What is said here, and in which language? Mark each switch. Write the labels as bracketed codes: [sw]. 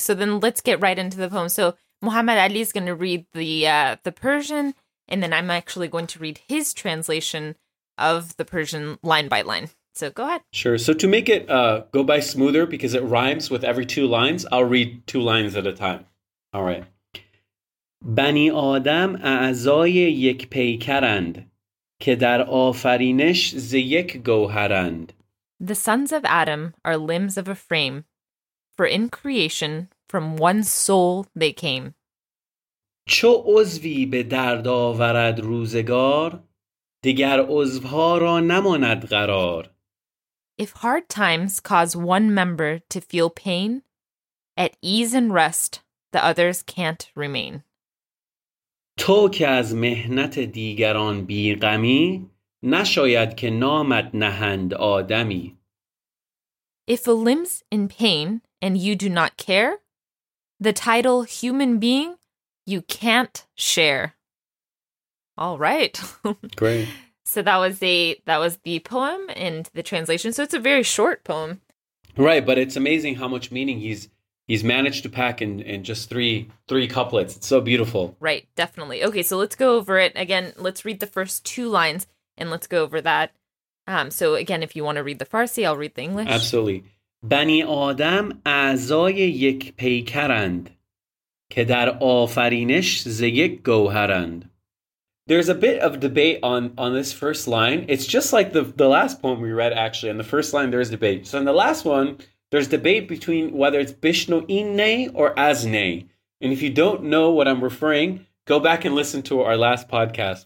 [en] So then let's get right into the poem. So Muhammad Ali is going to read the Persian, and then I'm actually going to read his translation of the Persian line by line. So go ahead. Sure. So to make it go by smoother, because it rhymes with every two lines, I'll read two lines at a time. All right. [fa] بنی آدم اعضای یک پیکرند که در آفرینش ز یک گوهرند. [en] The sons of Adam are limbs of a frame, for in creation from one soul they came. [fa] چو عضوی به درد آورد روزگار دیگر عضوها را نماند قرار. [en] If hard times cause one member to feel pain, at ease and rest, the others can't remain. [fa] تو که از مهنت دیگران بیغمی، نشاید که نامت نهند آدمی. [en] If a limb's in pain and you do not care, the title human being you can't share. All right. Great. So that was the poem and the translation. So it's a very short poem. Right, but it's amazing how much meaning he's managed to pack in just three couplets. It's so beautiful. Right, definitely. Okay, so let's go over it. Again, let's read the first two lines and let's go over that. So again, if you want to read the Farsi, I'll read the English. Absolutely. [fa] بنی آدم اعضای یک پیکرند که در آفرینش ز یک گوهرند. [en] There's a bit of debate on this first line. It's just like the last poem we read, actually. In the first line, there's debate. So in the last one, there's debate between whether it's Bishnu Inne or Azne. And if you don't know what I'm referring, go back and listen to our last podcast.